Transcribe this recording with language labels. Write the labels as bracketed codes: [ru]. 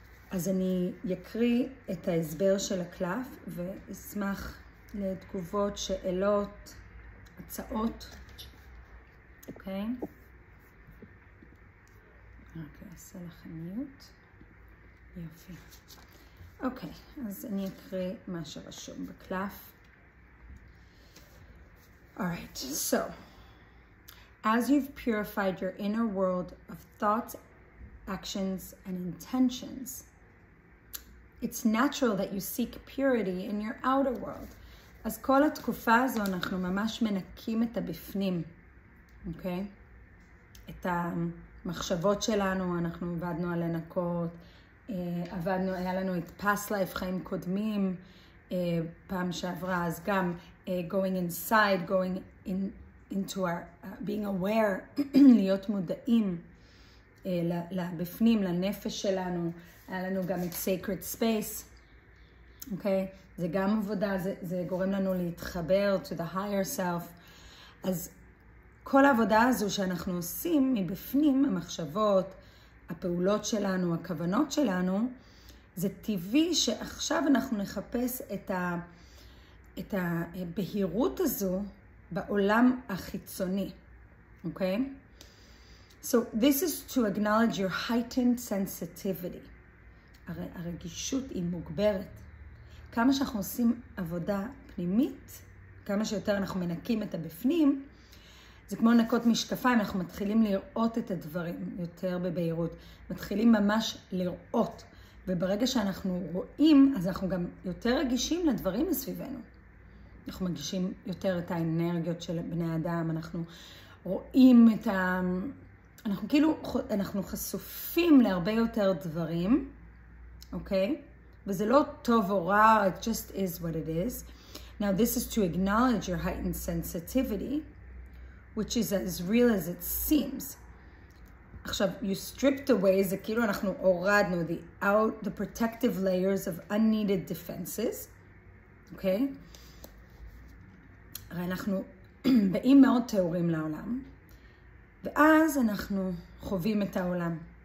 [he] אז אני אקריא את ההסבר של הקלף ואשמח לתגובות, שאלות, הצעות. אוקיי, רק אעשה לכם מיוט. יופי. אוקיי, אז אני אקריא מה שרשום בקלף. [en] Alright, so as you've purified your inner world of thoughts, actions, and intentions, it's natural that you seek purity in your outer world. [he] אז כל התקופה הזו אנחנו ממש מנקים את הבפנים, אוקיי? את המחשבות שלנו, אנחנו עבדנו על לנקות, עבדנו, היה לנו את [en] past life, [he] חיים קודמים, פעם שעברה, אז גם [en] going inside, going in, into our, being aware, [he] להיות מודעים לבפנים, לנפש שלנו, היה לנו גם את [en] sacred space, [he] אוקיי? זה גם עבודה, זה גורם לנו להתחבר [en] to the higher self. [he] אז כל העבודה הזו שאנחנו עושים מבפנים, המחשבות, הפעולות שלנו, הכוונות שלנו, זה טבעי שעכשיו אנחנו נחפש את הבהירות הזו בעולם החיצוני. אוקיי? [en] So this is to acknowledge your heightened sensitivity. [he] הרגישות היא מוגברת. כמה שאנחנו עושים עבודה פנימית, כמה שיותר אנחנו מנקים את הבפנים, זה כמו נקות משקפיים, אנחנו מתחילים לראות את הדברים יותר בבהירות. מתחילים ממש לראות. וברגע שאנחנו רואים, אז אנחנו גם יותר רגישים לדברים מסביבנו. אנחנו מגישים יותר את האנרגיות של בני אדם, אנחנו רואים את ה... אנחנו כאילו, אנחנו חשופים להרבה יותר דברים, אוקיי? וזה לא טוב או רע, [en] it just is what it is. Now, this is to acknowledge your heightened sensitivity, which is as real as it seems. [he] עכשיו, [en] you stripped away, [he] זה כאילו אנחנו הורדנו [en] the protective layers of unneeded defenses, [he] אוקיי? הרי אנחנו באים מאוד תיאורים לעולם, ואז אנחנו חווים את העולם.